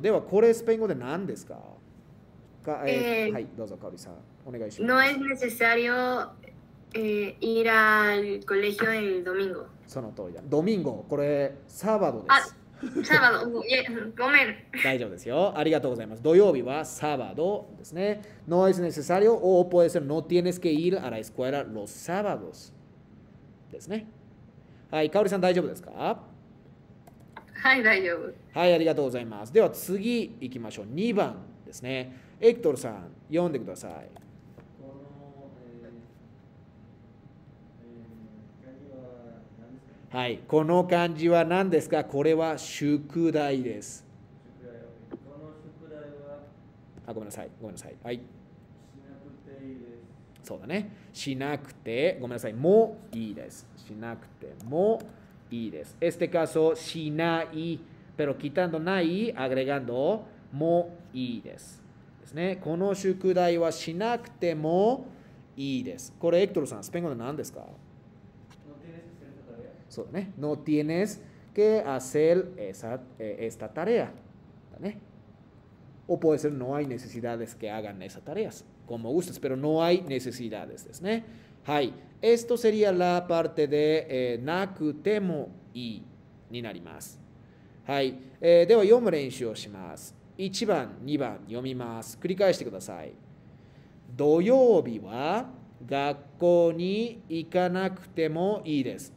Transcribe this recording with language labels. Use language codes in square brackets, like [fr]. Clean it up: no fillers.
[ja] では、これスペイン語で何ですか？はい、どうぞ、かおりさん。お願いします。 [es] No es necesario ir al colegio el domingo. [ja] その通りだ。ドミンゴ、これ、サバドです。あ、サバド。ごめん。大丈夫ですよ。ありがとうございます。土曜日はサバドですね。 [es] No es necesario o puede ser no tienes que ir a la escuela los sábados. [ja] ですね。はい、かおりさん、大丈夫ですか？はい、大丈夫。はい、ありがとうございます。では次行きましょう。2番ですね。エクトルさん、読んでください。はい、この漢字は何ですか？これは宿題です。この宿題は、あ、ごめんなさい、ごめんなさい。はい。しなくていいです。そうだね。しなくて、ごめんなさい、もいいです。しなくても。いいです。 [es] Este caso, しない、pero quitando ない、agregando [ja] もいいです。ですね。この宿題はしなくてもいいです。これ、エクトルさん、スペイン語で何ですか？ [es] No tienes que hacer esta tarea. [ja] そうだね。 [es] No tienes que hacer esta tarea. [ja] だね。 [es] O puede ser, no hay necesidades que hagan esas tareas. Como gustes, pero no hay necesidades. [ja] ですね。 [es] はい、esto sería la parte de なくてもいい [ja] になります。はい、では読む練習をします。1番、2番読みます。繰り返してください。土曜日は学校に行かなくてもいいです。